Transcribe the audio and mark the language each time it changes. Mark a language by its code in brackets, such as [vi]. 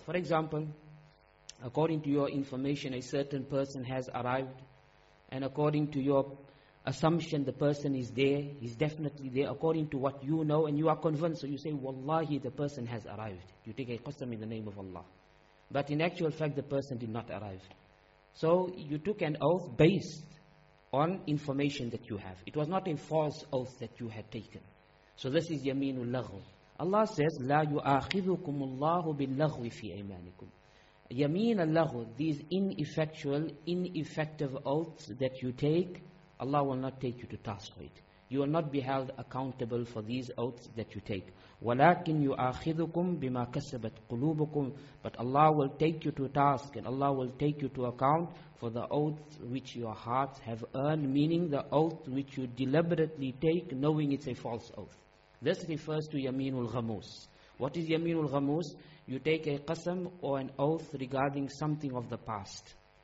[en] For example, according to your information, a certain person has arrived, and according to your assumption, the person is there, he's definitely there, according to what you know, and you are convinced, so you say, wallahi, the person has arrived. You take a qasam in the name of Allah. But in actual fact, the person did not arrive. So you took an oath based on information that you have. It was not a false oath that you had taken. So this is yameenul laghw. Allah says, [ar] لا يؤاخذكم الله باللغو في أيمانكم. [en] Yameen al-laghw, these ineffectual, ineffective oaths that you take, Allah will not take you to task for it. You will not be held accountable for these oaths that you take. [ar] ولكن يؤاخذكم بما كسبت قلوبكم. [en] But Allah will take you to task and Allah will take you to account for the oaths which your hearts have earned, meaning the oath which you deliberately take knowing it's a false oath. This refers to yameenul ghamus. What is yameenul ghamus? You take a qasam or an oath regarding something of the past.